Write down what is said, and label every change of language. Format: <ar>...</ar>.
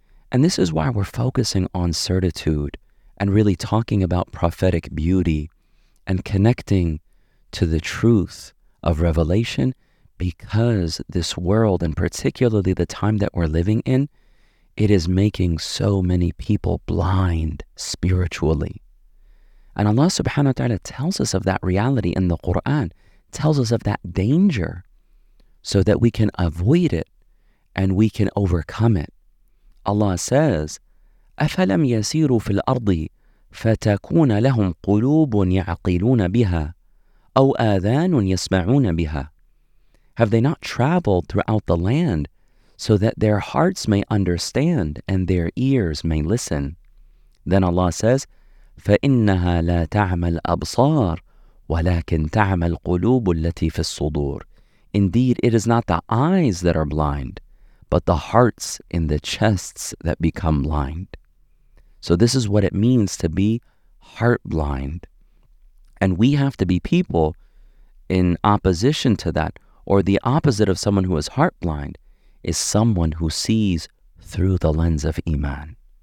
<en>And this is why we're focusing on certitude and really talking about prophetic beauty and connecting to the truth of revelation, because this world, and particularly the time that we're living in, it is making so many people blind spiritually. And Allah subhanahu wa ta'ala tells us of that reality in the Quran, tells us of that danger so that we can avoid it and we can overcome it. Allah says,</en> <ar>أَفَلَمْ يَسِيرُوا فِي الْأَرْضِ فتكون لهم قلوب يعقلون بها أو آذان يسمعون بها.</ar> <en>Have they not traveled throughout the land so that their hearts may understand and their ears may listen? Then Allah says,</en> <ar>فَإِنَّهَا لَا تَعْمَى الْأَبْصَارِ وَلَكِنْ تَعْمَى الْقُلُوبُ الَّتِي فِي الصُّدُورِ.</ar> <en>Indeed, it is not the eyes that are blind, but the hearts in the chests that become blind. So this is what it means to be heart blind. And we have to be people in opposition to that, or the opposite of someone who is heart blind is someone who sees through the lens of iman.</en>